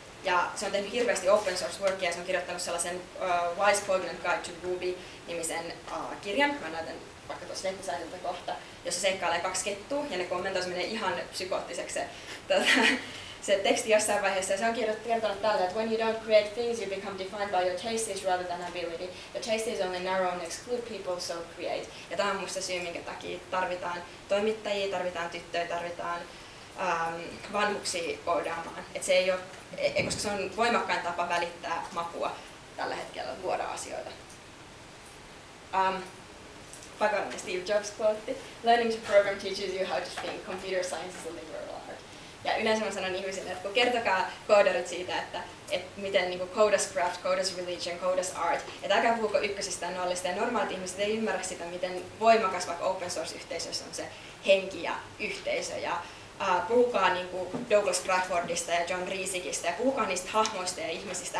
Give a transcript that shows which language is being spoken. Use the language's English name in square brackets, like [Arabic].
[Finnish] Ja se on tehnyt hirveästi open source workia ja se on kirjoittanut sellaisen Y's Poignant Guide to Ruby-nimisen kirjan. Mä näytän vaikka tuossa lehtisäätiltä kohta, jossa seikkailee 2 kettua ja ne kommentoisi menee ihan psykoottiseksi se teksti jossain vaiheessa. Ja se on kertonut tällä, että [English] when you don't create things, you become defined by your tastes rather than ability. Your tastes only narrow and exclude people, so create. [Finnish] Ja tämä on musta syy, minkä takia tarvitaan toimittajia, tarvitaan tyttöjä, tarvitaan vanhuksia koodaamaan. Et se ei ole, koska se on voimakkain tapa välittää makua tällä hetkellä, luoda asioita. Pakollinen Steve Jobs quote. [English] Learning to program teaches you how to think. Computer science is a liberal art. [Finnish] Ja yleensä mä sanon ihmisille, että kun kertokaa koodarit siitä, että miten niin kuin [English] code as craft, code as religion, code as art. [Finnish] Että älkää puhuko ykkösistä ja nollista. Ja normaalit ihmiset ei ymmärrä sitä, miten voimakas vaikka open source yhteisössä on se henki ja yhteisö. Ja puhukaa niin kuin Douglas Craffordista ja John Riesigistä ja puhukaa niistä hahmoista ja ihmisistä.